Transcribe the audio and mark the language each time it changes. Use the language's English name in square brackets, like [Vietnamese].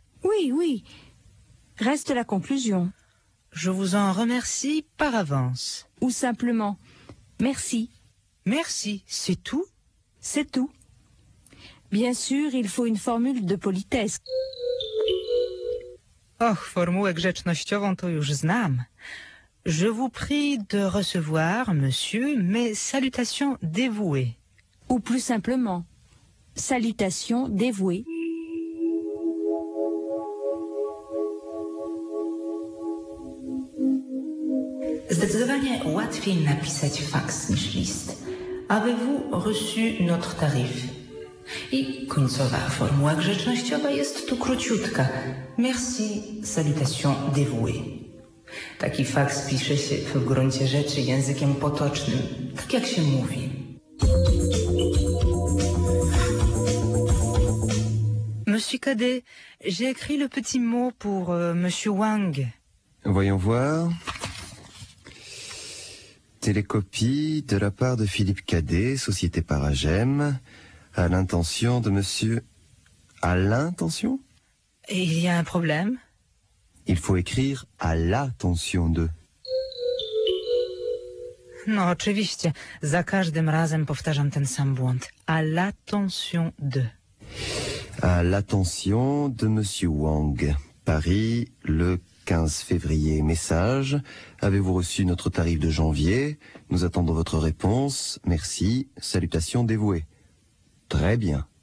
[French] Oui, oui. Reste la conclusion. Je vous en remercie par avance. Ou simplement, merci. Merci, c'est tout? C'est tout. Bien sûr, il faut une formule de politesse. [Polish] Och, formułę grzecznościową to już znam. [French] Je vous prie de recevoir, monsieur, mes salutations dévouées. Ou plus simplement, salutations dévouées. [Polish] Zdecydowanie łatwiej napisać faks niż list. [French] Avez-vous reçu notre tarif? [Polish] I końcowa formuła grzecznościowa jest tu króciutka. [French] Merci, salutation dévouée. [Polish] Taki faks pisze się w gruncie rzeczy językiem potocznym, tak jak się mówi. [French] Monsieur Cadet, j'ai écrit le petit mot pour monsieur Wang. Voyons voir. Télécopie de la part de Philippe Cadet, société Paragem. À l'intention de monsieur... À l'intention? Et il y a un problème? Il faut écrire à l'attention de. [Polish] No, oczywiście. Za każdym razem powtarzam ten sam błąd. [French] À l'attention de. À l'attention de Monsieur Wang. Paris, le 15 février. Message. Avez-vous reçu notre tarif de janvier? Nous attendons votre réponse. Merci. Salutations dévouées. Très bien.